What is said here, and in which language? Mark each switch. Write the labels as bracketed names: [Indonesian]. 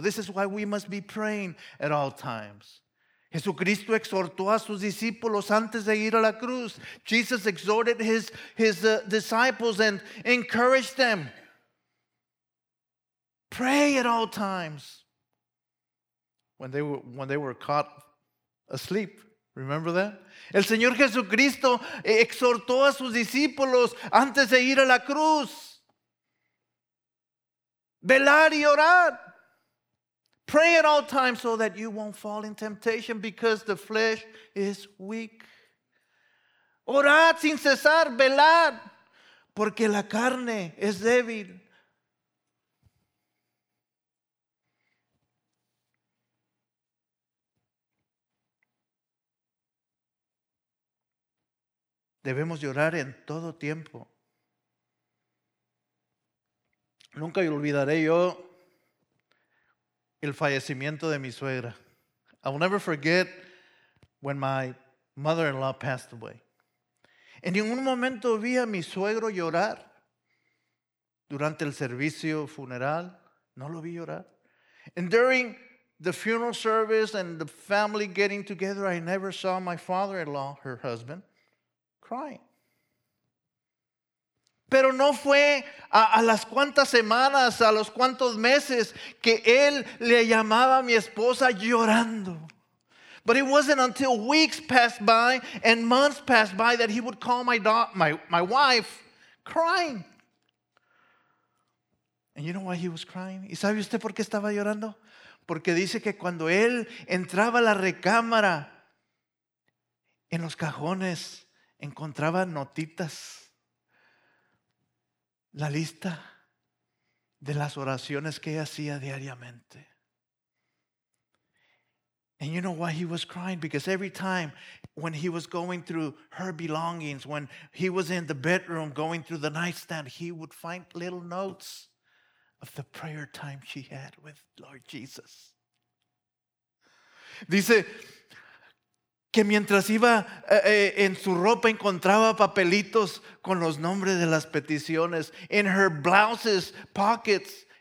[English] This is why we must be praying at all times. [Spanish] Jesucristo exhortó a sus discípulos antes de ir a la cruz. [English] Jesus exhorted his disciples and encouraged them. Pray at all times. When they were caught asleep. Remember that? [Spanish] El Señor Jesucristo exhortó a sus discípulos antes de ir a la cruz. Velar y orar. [English] Pray at all times so that you won't fall in temptation because the flesh is weak. [Spanish] Orad sin cesar, velar, porque la carne es débil. Debemos llorar en todo tiempo. Nunca olvidaré yo el fallecimiento de mi suegra. [English] I will never forget when my mother-in-law passed away. [Spanish] En ningún momento vi a mi suegro llorar durante el servicio funeral. No lo vi llorar. [English] And during the funeral service and the family getting together, I never saw my father-in-law, her husband, crying. [Spanish] Pero no fue a las cuantas semanas, a los cuantos meses que él le llamaba a mi esposa llorando. [English] But it wasn't until weeks passed by and months passed by that he would call my wife crying. And you know why he was crying? [Spanish] ¿Y sabe usted por qué estaba llorando? Porque dice que cuando él entraba a la recámara, en los cajones encontraba notitas, la lista de las oraciones que ella hacía diariamente. [English] And you know why he was crying? Because every time when he was going through her belongings, when he was in the bedroom going through the nightstand, he would find little notes of the prayer time she had with Lord Jesus. [Spanish] Dice que mientras iba en su ropa encontraba papelitos con los nombres de las peticiones. [English] In her blouses pockets,